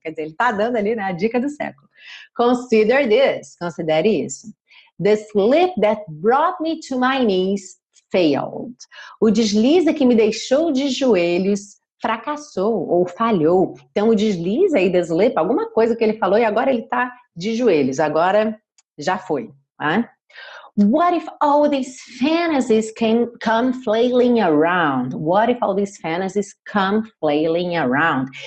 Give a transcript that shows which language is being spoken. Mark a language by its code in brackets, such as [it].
[pt] Quer dizer, ele tá dando ali, né, a dica do século. [en] Consider this, [pt] considere isso. [en] The slip that brought me to my knees failed. [pt] O deslize que me deixou de joelhos fracassou ou falhou. Então, o deslize aí, the slip, alguma coisa que ele falou e agora ele tá de joelhos. Agora, já foi. Né? [en] What if all these fantasies come flailing around? What if all these fantasies come flailing around?